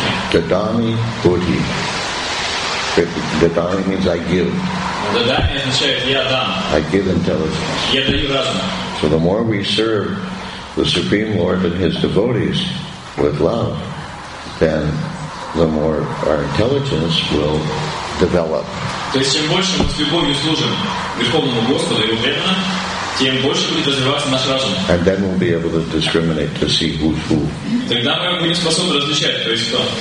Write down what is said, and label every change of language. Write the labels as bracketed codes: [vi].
[en] Dadami Bodhi. Dadami means I give. I give intelligence. So the more we serve the Supreme Lord and His devotees with love, then the more our intelligence will develop. [ru] То есть чем больше мы с любовью служим Верховному Господу и преданно, тем больше будет развиваться наш разум. [en] And then we'll be able to discriminate to see who's who. [ru] Тогда мы будем способны различать, то есть кто.